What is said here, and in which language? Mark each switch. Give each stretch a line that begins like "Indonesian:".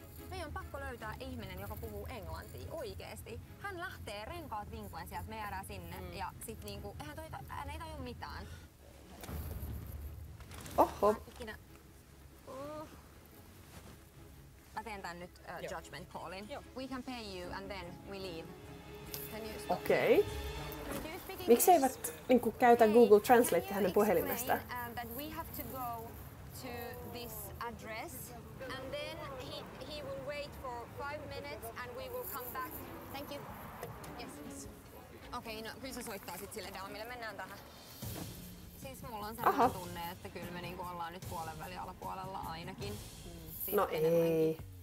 Finnish: Meidän on pakko löytää ihminen, joka puhuu englantia oikeesti. Hän lähtee renkaat vinkuen sieltä, me jäädään sinne. Mm. Ja sit niinku, eihän toi, hän ei tajua mitään. Oho. Mä teen tän nyt judgment callin. Joo.
English: We can pay you and then we leave.
Finnish: Okei. Miksi eivät niinku käytä Google Translate hänen puhelimesta?
English: That we have to go to this address and then he will wait for 5 minutes and we will come back. Thank you. Yes.
Finnish: Okei, no kyllä se soittaa sit sille Daamille. Mennään tähän. Siis mulla on sellainen tunne, että kyllä me niinku ollaan nyt puolen väli alapuolella ainakin. Sitten no ei.